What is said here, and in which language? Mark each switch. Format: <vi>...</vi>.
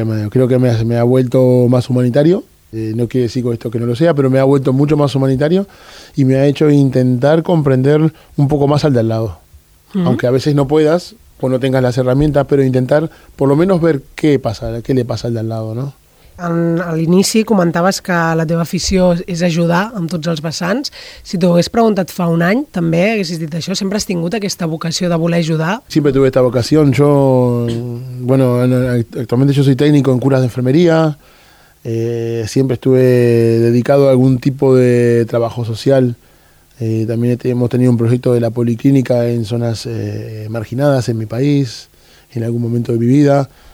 <es>Creo que me ha vuelto más humanitario. No quiere decir con esto que no lo sea, pero me ha vuelto mucho más humanitario y me ha hecho intentar comprender un poco más al de al lado. Uh-huh. Aunque a veces no puedas, pues no tengas las herramientas, pero intentar por lo menos ver qué le pasa al de al lado, ¿no?</es> <ca>A l'inici comentaves que la teva afició és ajudar amb tots els vessants. Si t'ho hagués preguntat fa un any, també haguessis dit això. Sempre has tingut aquesta vocació de voler ajudar?</ca> <es>Siempre tuve esta vocación. Yo, bueno, actualmente yo soy técnico en curas de enfermería. Siempre estuve dedicado a algún tipo de trabajo social. También hemos tenido un proyecto de la policlínica en zonas marginadas en mi país, en algún momento de mi vida.</es>